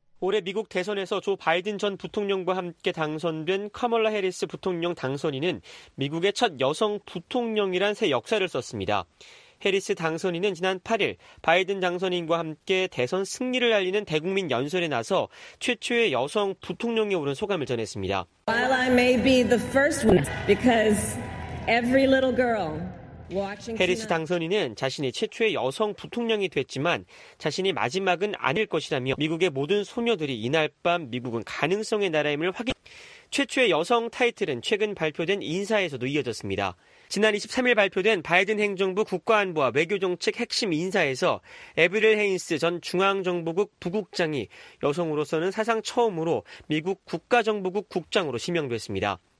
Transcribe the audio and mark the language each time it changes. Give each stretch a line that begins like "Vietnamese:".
Korean: 올해 미국 대선에서 조 바이든 전 부통령과 함께 당선된 카멀라 해리스 부통령 당선인은 미국의 첫 여성 부통령이란 새 역사를 썼습니다. 해리스 당선인은 지난 8일 바이든 당선인과 함께 대선 승리를 알리는 대국민 연설에 나서 최초의 여성 부통령에 오른 소감을 전했습니다.
English: While I may be the first one because every little girl
Korean: 해리스 당선인은 자신이 최초의 여성 부통령이 됐지만 자신이 마지막은 아닐 것이라며 미국의 모든 소녀들이 이날 밤 미국은 가능성의 나라임을 확인. 최초의 여성 타이틀은 최근 발표된 인사에서도 이어졌습니다. 지난 23일 발표된 바이든 행정부 국가안보와 외교정책 핵심 인사에서 에브릴 헤인스 전 중앙정보국 부국장이 여성으로서는 사상 처음으로 미국 국가정보국 국장으로 지명됐습니다.